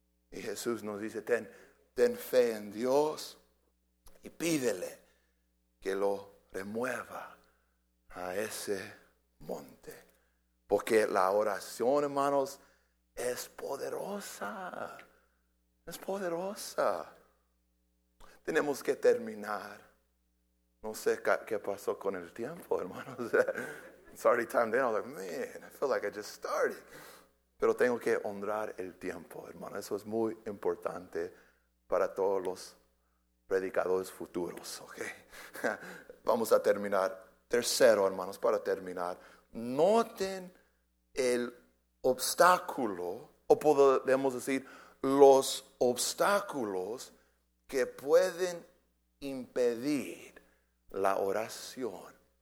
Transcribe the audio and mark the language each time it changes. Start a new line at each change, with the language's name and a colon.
Spanish: Y Jesús nos dice: ten fe en Dios y pídele que lo remueva a ese monte. Porque la oración, hermanos, es poderosa. Es poderosa. Tenemos que terminar. No sé qué pasó con el tiempo, hermanos.
English: It's already time then. I was like, man, I feel like I just started.
Spanish: Pero tengo que honrar el tiempo, hermano. Eso es muy importante para todos los predicadores futuros, ¿ok? Vamos a terminar. Tercero, hermanos, para terminar. Noten el obstáculo, o podemos decir, los obstáculos que pueden impedir la oración.